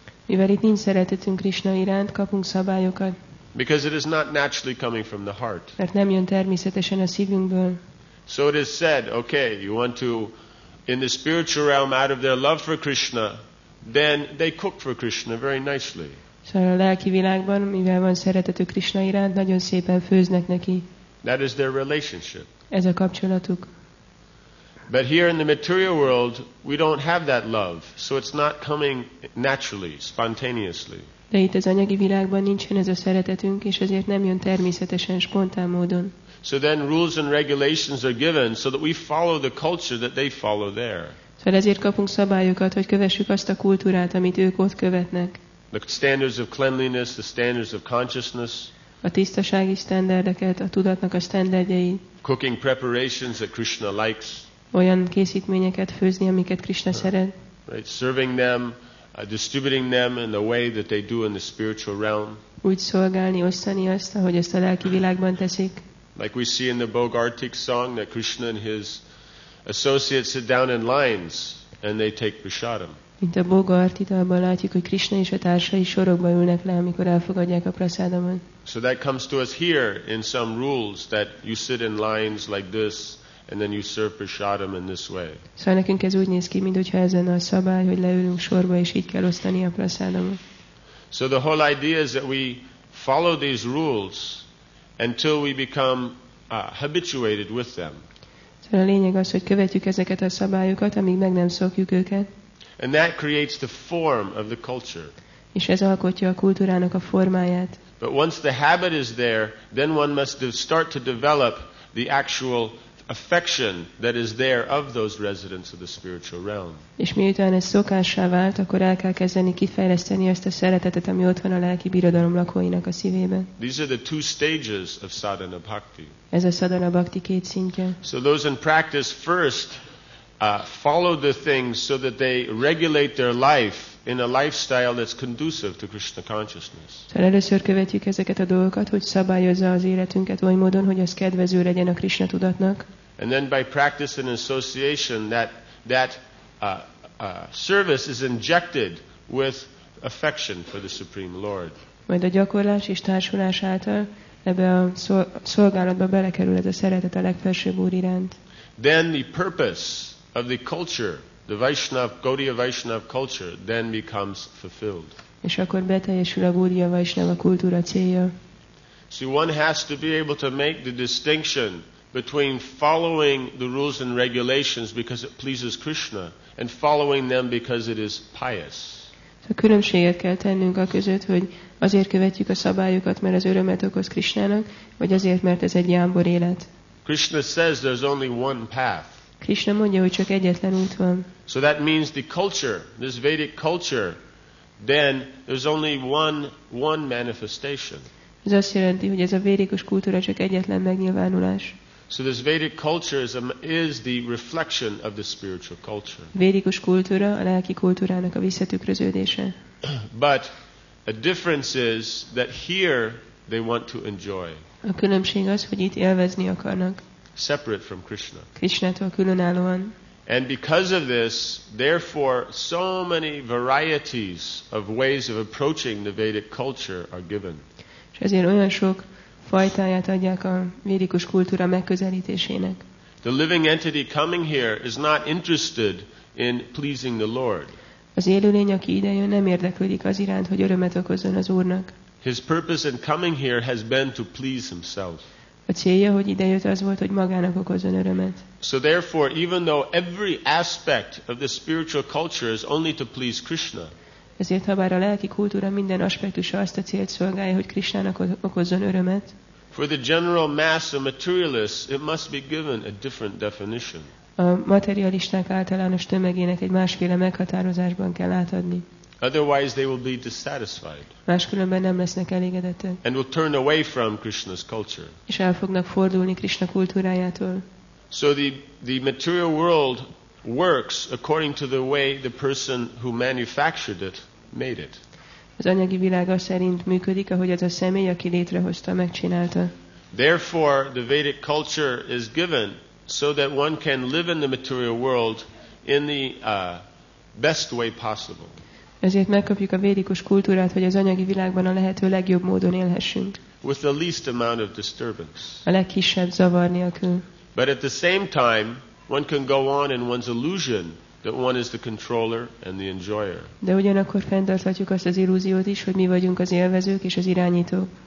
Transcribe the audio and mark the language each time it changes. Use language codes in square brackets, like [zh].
[hu] Mivel itt nincs szeretetünk Krishna iránt, kapunk szabályokat. [en] Because it is not naturally coming from the heart. [hu] Mert nem jön természetesen a szívünkből. [en] So it is said, okay, you want to, in the spiritual realm, out of their love for Krishna, then they cook for Krishna very nicely. [hu] Szóval a lelki világban, mivel van szeretetük Krishna iránt, nagyon szépen főznek neki. [en] That is their relationship. [hu] Ez a kapcsolatuk. [en] But here in the material world, we don't have that love, so it's not coming naturally, spontaneously. [hu] De itt az anyagi világban nincsen ez a szeretetünk, és ezért nem jön természetesen, spontán módon. [en] So then rules and regulations are given so that we follow the culture that they follow there. [hu] Szóval ezért kapunk szabályokat, hogy kövessük azt a kultúrát, amit ők ott követnek. [en] The standards of cleanliness, the standards of consciousness. [hu] A tisztasági standardeket, a tudatnak a standardjei. [en] Cooking preparations that Krishna likes. [hu] Olyan készítményeket főzni, amiket Krishna szeret. [en] Right. Serving them, distributing them in the way that they do in the spiritual realm. [hu] Úgy szolgálni, osztani azt, ahogy ezt a lelki világban teszik. [en] Like we see in the Bogartik song that Krishna and his associates sit down in lines and they take prasadam. [hu] Mint a Bogartitában látjuk, hogy Krishna és a társai sorokba ülnek le, amikor elfogadják a prasadamot. [en] So that comes to us here in some rules that you sit in lines like this. And then you serve prasadam in this way. [hu] So nekünk ez úgy néz ki, mintha ez lenne a szabály, hogy leülünk sorba és így kell osztani a prasadamot. [en] So the whole idea is that we follow these rules until we become habituated with them. [hu] So a lényeg az, hogy követjük ezeket a szabályokat, amíg meg nem szokjuk őket. [en] And that creates the form of the culture. [hu] És ez alkotja a kultúrának a formáját. [en] But once the habit is there, then one must start to develop the actual affection that is there of those residents of the spiritual realm. [hu] És miután ez szokássá vált, akkor el kell kezdeni kifejleszteni ezt a szeretetet, ami ott van a lelki birodalom lakóinak a szívében. [en] These are the two stages of sadhana bhakti. [hu] Ez a sadhana bhakti két szintje. [en] So those in practice first follow the things so that they regulate their life in a lifestyle that's conducive to Krishna consciousness. [hu] Tehát először követjük ezeket a dolgokat, hogy szabályozza az életünket oly módon, hogy az kedvező legyen a Krishna tudatnak. [en] And then by practice and association that service is injected with affection for the Supreme Lord. [hu] Majd a gyakorlás és társulás által ebbe a szolgálatba belekerül ez a szeretet a legfelsőbb úr iránt. [en] Then the purpose of the culture, the Vaishnava, Gaudiya Vaishnava culture, then becomes fulfilled. [hu] És akkor beteljesül a Gaudiya Vaishnava kultúra célja. [en] See, one has to be able to make the distinction between following the rules and regulations because it pleases Krishna and following them because it is pious. [hu] A különbséget kell tennünk a között, hogy azért követjük a szabályokat, mert az örömet okoz Krishnának, vagy azért, mert ez egy jámbor élet. [en] Krishna says there's only one path. [hu] Krishna mondja, hogy csak egyetlen út van. [en] So that means the culture, this Vedic culture, then there's only one manifestation. [hu] Ez azt jelenti, hogy ez a védikus kultúra csak egyetlen megnyilvánulás. [en] So this Vedic culture is the reflection of the spiritual culture. [hu] Védikus kultúra a lelki kultúrának a visszatükröződése. [en] But a difference is that here they want to enjoy. [hu] A különbség az, hogy itt élvezni akarnak. [en] Separate from Krishna. [hu] Krishnától különállóan. [en] And because of this, therefore, so many varieties of ways of approaching the Vedic culture are given. [hu] És ezért olyan sok fajtáját adják a védikus kultúra megközelítésének. [en] The living entity coming here is not interested in pleasing the Lord. [hu] Az élőlény, aki idejön, nem érdeklődik az iránt, hogy örömet okozzon az Úrnak. [en] His purpose in coming here has been to please himself. [hu] A célja, hogy idejött, az volt, hogy magának okozzon örömet. [en] So therefore, even though every aspect of the spiritual culture is only to please Krishna. [hu] Ezért habár a lelki kultúra minden aspektusa azt a célt szolgálja, hogy Krishnának okozzon örömet. [en] For the general mass of materialists, it must be given a different definition. [hu] A materialisták általános tömegének egy másféle meghatározásban kell átadni. [en] Otherwise they will be dissatisfied. [hu] Máskülönben nem lesznek elégedettek. [en] And will turn away from Krishna's culture. [hu] És el fognak fordulni Krishna kultúrájától. [en] So the material world works according to the way the person who manufactured it made it. [hu] Az anyagi világa szerint működik, ahogy az a személy, aki létrehozta, megcsinálta. [en] Therefore the Vedic culture is given so that one can live in the material world in the best way possible. [hu] Ezért megkapjuk a védikus kultúrát, hogy az anyagi világban a lehető legjobb módon élhessünk. [en] With the least amount of disturbance. [hu] A legkisebb zavar nélkül. [en] But at the same time, one can go on in one's illusion that one is the controller and the enjoyer. [hu] De ugyanakkor fenntarthatjuk azt az illúziót is, hogy mi vagyunk az élvezők és az irányítók.